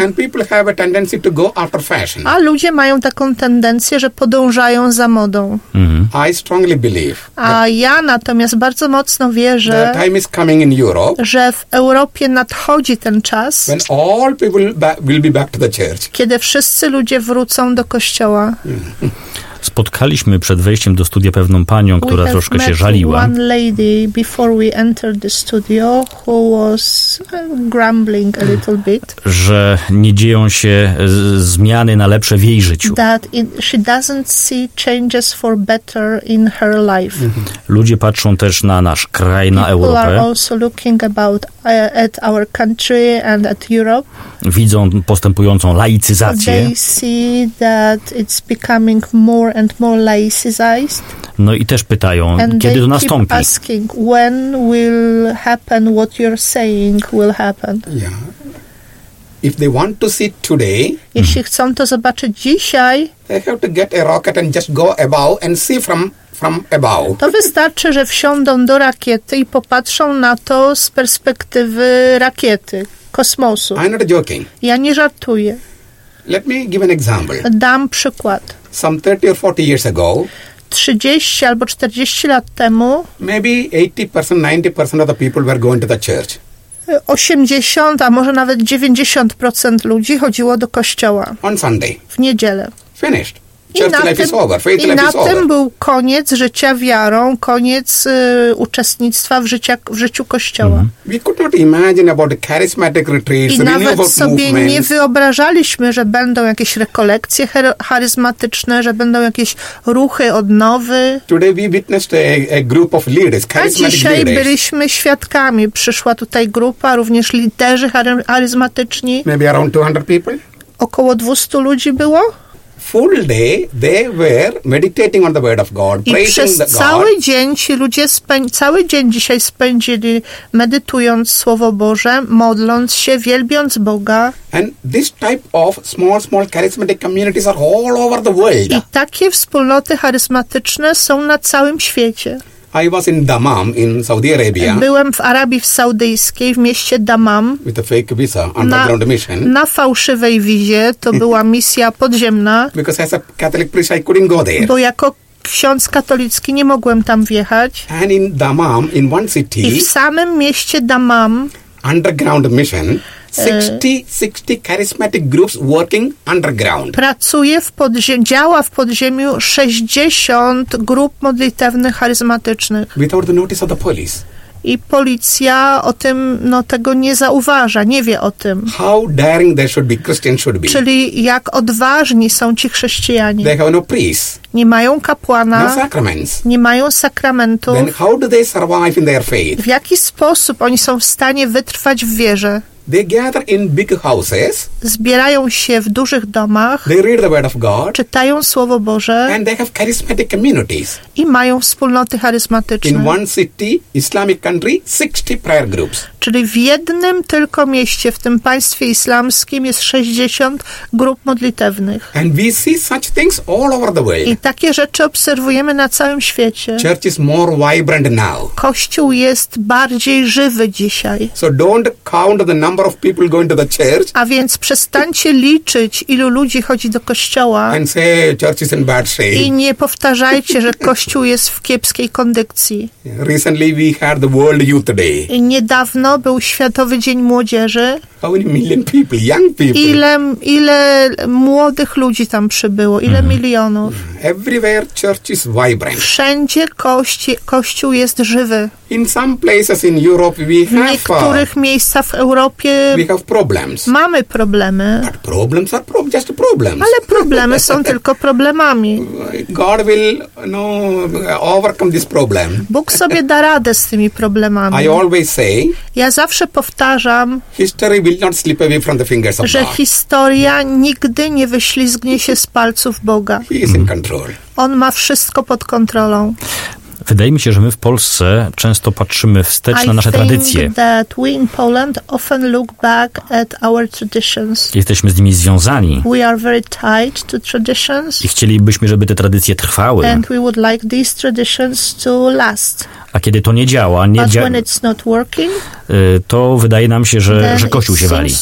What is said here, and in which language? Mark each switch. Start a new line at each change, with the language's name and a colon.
English: And people have a tendency to go after fashion.
Polish: A ludzie mają taką tendencję, że podążają za modą.
English: Mm-hmm. I strongly believe.
Polish: A ja natomiast bardzo mocno wierzę,
English: the time is coming in Europe,
Polish: że w Europie nadchodzi ten czas,
English: when all people will be back to the church.
Polish: Kiedy wszyscy ludzie wrócą do kościoła. Spotkaliśmy przed wejściem do studia pewną panią, która troszkę się żaliła.
English: One lady before we entered the studio who was grumbling a little bit,
Polish: że nie dzieją się zmiany na lepsze w jej życiu.
English: That she doesn't see changes for better in her life.
Polish: Ludzie patrzą też na nasz kraj, na
English: People
Polish: Europę.
English: People are also looking about at our country and at Europe.
Polish: Widzą postępującą laicyzację.
English: They see that it's becoming more more and more laicized.
Polish: No i też pytają,
English: and
Polish: kiedy
English: they
Polish: to nastąpi?
English: Keep asking, when will happen what you're saying will happen? Yeah. If they want to see today,
Polish: jeśli chcą to zobaczyć dzisiaj,
English: they have to get a rocket and just go above and see from above.
Polish: To wystarczy, że wsiądą do rakiety i popatrzą na to z perspektywy rakiety, kosmosu.
English: I'm not joking.
Polish: Ja nie żartuję.
English: Let me give an example.
Polish: Dam przykład.
English: Some 30 or 40 years ago,
Polish: 30 albo 40 lat temu,
English: maybe 80%, 90% of the people were going to the church.
Polish: 80, a może nawet 90% ludzi chodziło do kościoła.
English: On Sunday.
Polish: W niedzielę.
English: Finished. Church life is over. Faith life is over.
Polish: I na tym był koniec życia wiarą, koniec uczestnictwa w życiu kościoła.
English: We could not imagine about charismatic retreats,
Polish: i nawet sobie nie wyobrażaliśmy, że będą jakieś rekolekcje charyzmatyczne, że będą jakieś ruchy odnowy.
English: Today we witnessed a group of leaders, charismatic leaders.
Polish: A dzisiaj byliśmy świadkami. Przyszła tutaj grupa, również liderzy charyzmatyczni.
English: Maybe around 200 people?
Polish: Około 200 ludzi było.
English: Full day they were meditating on the word of God, i praising the God.
Polish: I cały dzień ci ludzie cały dzień dzisiaj spędzili medytując słowo Boże, modląc się, wielbiąc Boga.
English: And this type of small charismatic communities are all over the world.
Polish: I takie wspólnoty charyzmatyczne są na całym świecie.
English: I was in Dammam in Saudi Arabia.
Polish: Byłem w Arabii Saudyjskiej, w mieście Dammam.
English: With a fake visa, underground mission.
Polish: Na fałszywej wizie, to była misja podziemna.
English: Because as a Catholic priest, I couldn't go there.
Polish: Bo jako ksiądz katolicki nie mogłem tam wjechać.
English: And in Dammam, in one city.
Polish: I w samym mieście Dammam.
English: Underground mission. 60 charismatic groups working underground.
Polish: Pracuje w podziemiu, działa w podziemiu 60 grup modlitewnych charyzmatycznych.
English: Without the notice of the police.
Polish: I policja o tym, no tego nie zauważa, nie wie o tym.
English: How daring they should be, Christians should be.
Polish: Czyli jak odważni są ci chrześcijanie.
English: They have no priest.
Polish: Nie mają kapłana.
English: No sacraments.
Polish: Nie mają sakramentu.
English: Then how do they survive in their faith?
Polish: W jaki sposób oni są w stanie wytrwać w wierze?
English: They gather in big houses.
Polish: Zbierają się w dużych domach.
English: They read the word of God.
Polish: Czytają słowo Boże.
English: And they have charismatic communities.
Polish: I mają wspólnoty charyzmatyczne.
English: In one city, Islamic country, 60 prayer groups.
Polish: Czyli w jednym tylko mieście, w tym państwie islamskim, jest 60 grup modlitewnych.
English: And we see such things all over the world.
Polish: I takie rzeczy obserwujemy na całym świecie.
English: Church is more vibrant now.
Polish: Kościół jest bardziej żywy dzisiaj.
English: So don't count the number of people going to the church.
Polish: A więc przestańcie liczyć, ilu ludzi chodzi do kościoła.
English: And say, church is in bad shape.
Polish: I nie powtarzajcie, że kościół jest w kiepskiej kondycji.
English: Recently we had the World Youth Day.
Polish: I niedawno był Światowy Dzień Młodzieży.
English: How many million people, young people?
Polish: Ile młodych ludzi tam przybyło? Ile milionów?
English: Everywhere church is vibrant.
Polish: Wszędzie kościół jest żywy.
English: In some places in Europe we have.
Polish: W niektórych miejscach w Europie
English: we have problems.
Polish: Mamy problemy.
English: But problems are just problems.
Polish: Ale problemy są tylko problemami.
English: God will overcome this problem.
Polish: Bóg sobie da radę z tymi problemami.
English: I always say.
Polish: Ja zawsze powtarzam.
English: History will not slip away from the fingers of God.
Polish: Że historia nigdy nie wyślizgnie się z palców Boga.
English: He is in control.
Polish: On ma wszystko pod kontrolą. Wydaje mi się, że my w Polsce często patrzymy wstecz na nasze tradycje.
English: That we in Poland often look back at our traditions.
Polish: Jesteśmy z nimi związani.
English: We are very tied to traditions.
Polish: I chcielibyśmy, żeby te tradycje trwały.
English: And we would like these traditions to last.
Polish: A kiedy to nie działa,
English: when it's not working,
Polish: to wydaje nam się, że kościół się wali.